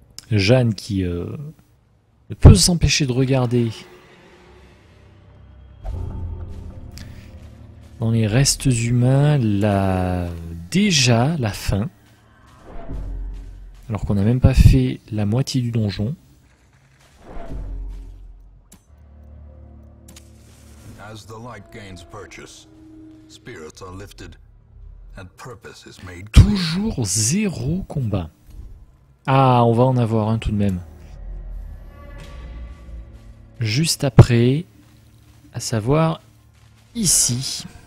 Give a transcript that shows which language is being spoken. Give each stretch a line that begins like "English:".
French: Jeanne qui ne peut s'empêcher de regarder dans les restes humains, là, déjà la fin. Alors qu'on n'a même pas fait la moitié du donjon.
English: As the light gains purchase, spirits are lifted, and purpose is made clear.
French: Toujours zéro combat. Ah, on va en avoir un tout de même. Juste après, à savoir ici.